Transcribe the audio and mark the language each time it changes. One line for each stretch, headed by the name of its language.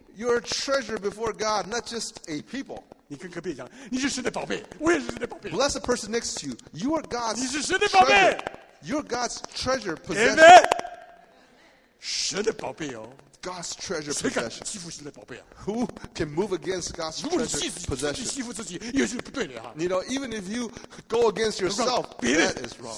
English: You're a treasure before God, not just a people.
Chinese: 你跟隔壁讲，你是神的宝贝，我也是神的宝贝。
English: Bless the person next to you. You are God's treasure.
Chinese: 你是神的宝贝。
English: You're God's treasure possession. Amen.
Chinese: 神的宝贝哦
English: God's treasure possession.
Chinese: 谁敢欺负神的宝贝啊
English: Who can move against God's treasure possession?
Chinese: 欺负自己也是不对的啊
English: You know, even if you go against yourself, that is wrong.